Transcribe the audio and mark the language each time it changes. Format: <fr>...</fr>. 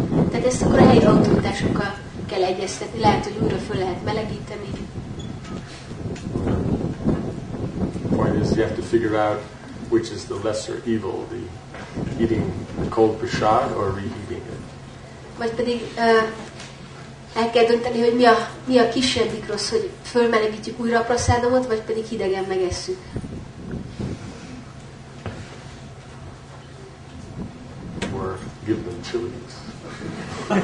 <hu>Tehát ezt akkor a helyi autóutásokkal kell egyeztetni. Lehet, hogy újra föl lehet melegíteni.</hu> <en>Point is, you have to figure out which is the lesser evil, the eating the cold prasad or reheating it.</en> <hu>Vagy pedig el kell dönteni, hogy mi a kisebbik rossz, hogy fölmelegítjük újra a prasadomot, vagy pedig hidegen megesszük.</hu> <en>Or give them chilies.</en>